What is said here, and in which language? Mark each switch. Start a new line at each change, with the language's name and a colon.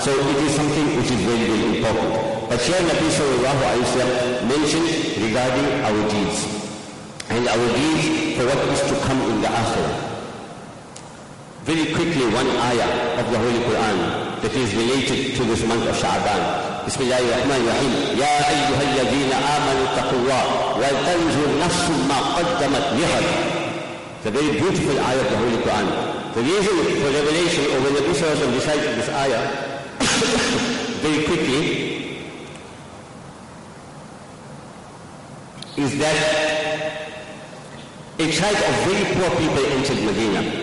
English: So it is something which is very, very important. But here Nabi sallallahu alayhi wa sallam mentioned regarding our deeds. And our deeds for what is to come in the akhirah. Very quickly, one ayah of the Holy Quran that is related to this month of Sha'ban.
Arabic: بسم الله الرحمن الرحيم يا أيها الذين آمنوا اتقوا الله ولتنظر نفس ما قدمت لغد.
English: It's a very beautiful ayah of the Holy Quran. The reason for revelation, or when the Prophet recited this ayah very quickly, is that a tribe of very poor people entered Medina.